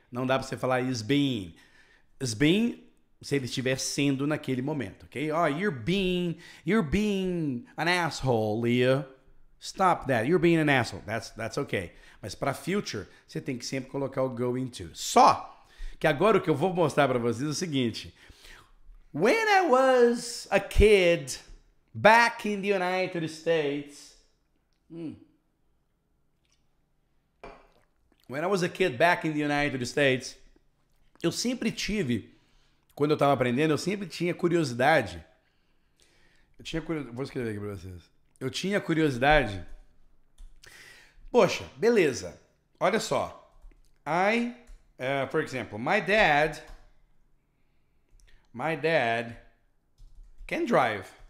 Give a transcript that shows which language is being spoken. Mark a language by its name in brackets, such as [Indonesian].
[Portuguese] Não dá para você falar is being. Is being, se ele estiver sendo naquele momento, ok? [English] Oh, you're being an asshole, [Portuguese] Leo. [English] Stop that. You're being an asshole. That's okay. [Portuguese] Mas para future, você tem que sempre colocar o going to. Só que agora o que eu vou mostrar para vocês é o seguinte. [English] When I was a kid back in the United States. When I was a kid back in the United States. [Portuguese] Eu sempre tive, quando eu estava aprendendo, eu sempre tinha curiosidade. Vou escrever aqui para vocês. Eu tinha curiosidade. Poxa, beleza. Olha só. [English] For example, my dad can drive.